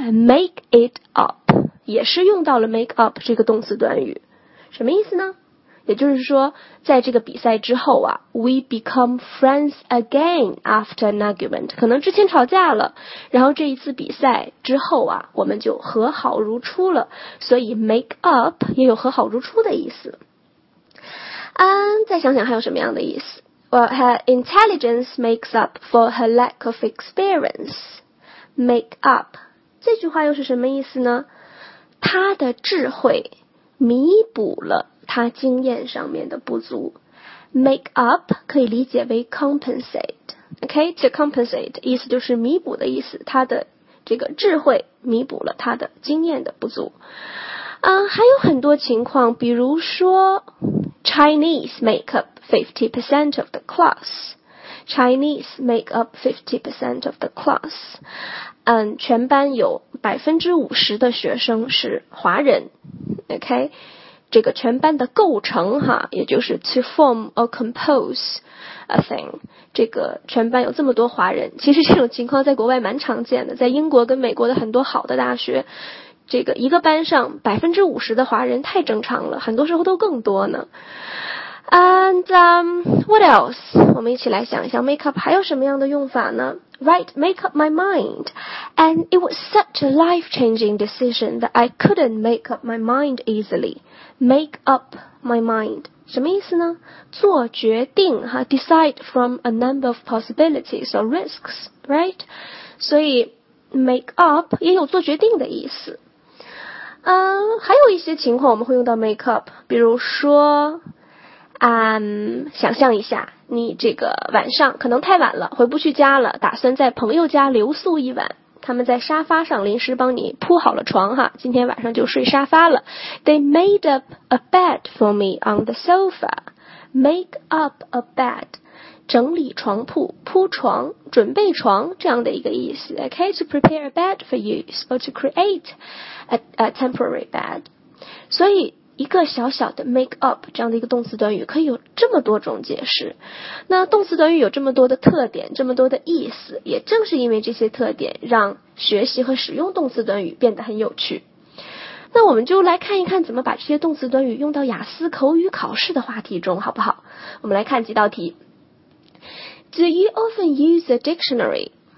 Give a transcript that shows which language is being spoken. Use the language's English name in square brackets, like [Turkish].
[Chinese] Make it up 也是用到了 make up 这个动词短语，什么意思呢？也就是说在这个比赛之后啊， [English] We become friends again after an argument. [Chinese] 可能之前吵架了，然后这一次比赛之后啊，我们就和好如初了，所以 make up 也有和好如初的意思。再想想还有什么样的意思。 [English] Well, her intelligence makes up for her lack of experience. [Chinese] Make up 这句话又是什么意思呢？她的智慧弥补了他经验上面的不足。 make up 可以理解为 compensate. [English] OK? [Chinese] To compensate 意思就是弥补的意思，他的这个智慧弥补了他的经验的不足。还有很多情况，比如说 [English] Chinese make up 50% of the class. Chinese make up 50% of the class. [Chinese] 全班有 50% 的学生是华人。OK? 这个全班的构成哈，也就是 [English] to form or compose a thing, [Chinese] 这个全班有这么多华人，其实这种情况在国外蛮常见的，在英国跟美国的很多好的大学，这个一个班上 50% 的华人太正常了，很多时候都更多呢。 [English] What else? [Chinese] 我们一起来想一想 makeup 还有什么样的用法呢？ [English] Right, make up my mind. And it was such a life-changing decision that I couldn't make up my mind easily. Make up my mind. [Chinese] 什么意思呢？做决定哈， [English] decide from a number of possibilities or risks, right? [Chinese] 所以 make up 也有做决定的意思。还有一些情况我们会用到 make up, 比如说想象一下，你这个晚上可能太晚了，回不去家了，打算在朋友家留宿一晚，他们在沙发上临时帮你铺好了床哈，今天晚上就睡沙发了。 [English] They made up a bed for me on the sofa. [Chinese] Make up a bed, 整理床铺，铺床，准备床，这样的一个意思。 [English] OK, to prepare a bed for you, or to create a temporary bed. [Chinese] 所以一个小小的 make up 这样的一个动词短语可以有这么多种解释。那动词短语有这么多的特点，这么多的意思，也正是因为这些特点让学习和使用动词短语变得很有趣。那我们就来看一看怎么把这些动词短语用到雅思口语考试的话题中，好不好？我们来看几道题。 [English] Do you often use a dictionary?